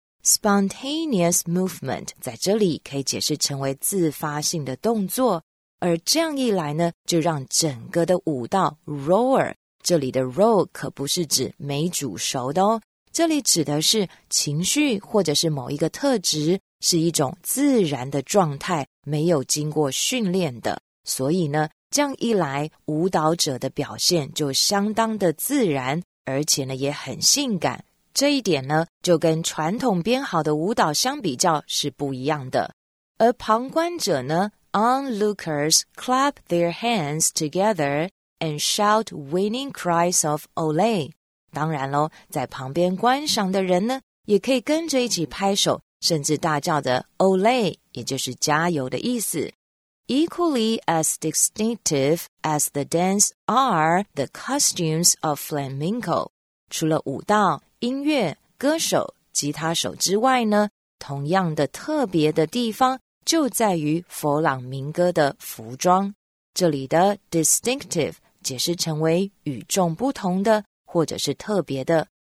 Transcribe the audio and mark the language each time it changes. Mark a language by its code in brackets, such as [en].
[zh] Spontaneous movement 在这里可以解释成为自发性的动作，而这样一来呢，就让整个的舞蹈 roar， 这里的 roar 可不是指没煮熟的哦，这里指的是情绪或者是某一个特质，是一种自然的状态，没有经过训练的，所以呢这样一来，舞蹈者的表现就相当的自然，而且呢也很性感。这一点呢，就跟传统编好的舞蹈相比较是不一样的。而旁观者呢 [en] ，onlookers clap their hands together and shout winning cries of olé。 [zh] 当然咯，在旁边观赏的人呢，也可以跟着一起拍手，甚至大叫的 olé， 也就是加油的意思。 [en] Equally as distinctive as the dance are the costumes of flamenco. [zh] 除了舞蹈、音乐、歌手、吉他手之外呢，同样的特别的地方就在于佛朗明哥的服装。这里的 distinctive 解释成为与众不同的或者是特别的。